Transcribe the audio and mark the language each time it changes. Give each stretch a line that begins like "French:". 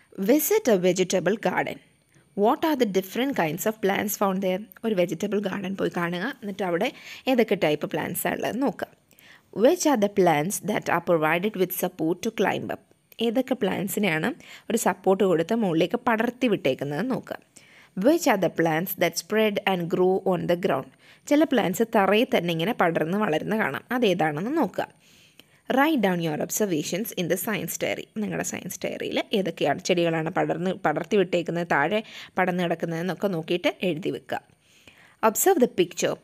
English: Visit a vegetable garden. What are the different kinds of plants found there?
Malayalam: ഒരു vegetable garden പോയി കാണുക, എന്നിട്ട് അവിടെ ഏതൊക്കെ ടൈപ്പ് പ്ലാന്റ്സ് ആണ് ഉള്ളത് നോക്കുക.
English: Which are the plants that are provided with support to climb up?
Malayalam: ഏതൊക്കെ പ്ലാന്റ്സിനെയാണ് ഒരു സപ്പോർട്ട് കൊടുത്ത് മുകളിലേക്ക് പടർത്തി വിട്ടേക്കുന്നത് നോക്കുക.
English: Which are the plants that spread and grow on the ground?
Malayalam: ചില പ്ലാന്റ്സ് തറയിൽ തന്നെ ഇങ്ങനെ പടർന്ന് വളരുന്ന കാണാം, അതേതാണെന്ന് നോക്കുക.
English: Write down your observations in the science diary.
Malayalam: നിങ്ങളുടെ സയൻസ് ഡയറിയിൽ ഏതൊക്കെയാണ് ചെടികളാണ് പടർത്തി വിട്ടേക്കുന്നത്, താഴെ പടർന്ന് കിടക്കുന്നതെന്നൊക്കെ നോക്കിയിട്ട് എഴുതി വെക്കുക.
English: Observe the picture.